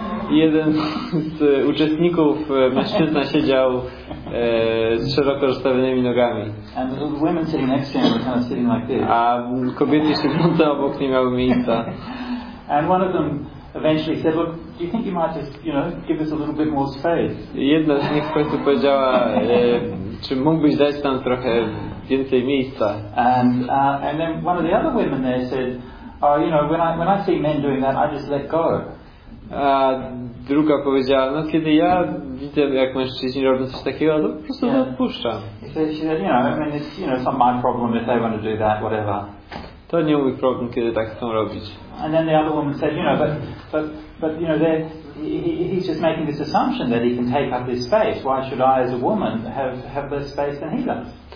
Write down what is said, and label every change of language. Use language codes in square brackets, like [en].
[pl] Jeden z uczestników, mężczyzna, siedział z szeroko rozstawionymi nogami. [en] And the women sitting next to him were kind of sitting like this. [pl] A kobiety siedzące obok nie miały miejsca. [en] And one of them eventually said, "Look, do you think you might just, you know, give us a little bit more space?" [pl] Jedna z nich w końcu powiedziała, czy mógłbyś dać nam trochę więcej miejsca? [en] And then one of the other women there said, "Oh, you know, when I see men doing that, I just let go." [pl] A druga powiedziała, no kiedy ja widzę, jak mężczyźni robią coś takiego, to po prostu to odpuszczam. [en] It's not my problem if they want to do that, whatever. [pl] To nie mój problem, kiedy tak chcą robić. [en] And then the other woman said, you know, but you know, he's just making this assumption that he can take up this space. Why should I, as a woman, have less space than he does?